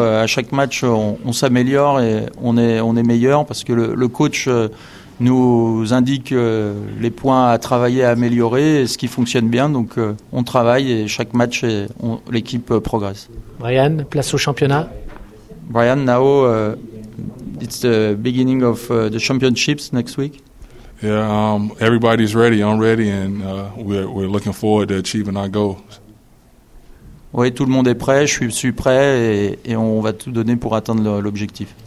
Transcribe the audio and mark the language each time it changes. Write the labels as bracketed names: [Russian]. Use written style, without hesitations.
[French] À chaque match, on s'améliore et on est meilleur parce que le coach nous indique les points à travailler, à améliorer, et ce qui fonctionne bien. Donc, on travaille et chaque match, l'équipe progresse. Brian, place au championnat. [English] Brian, now it's the beginning of the championships next week. Yeah, everybody's ready. I'm ready, and we're looking forward to achieving our goals. [French] Oui, tout le monde est prêt. Je suis prêt, et on va tout donner pour atteindre l'objectif.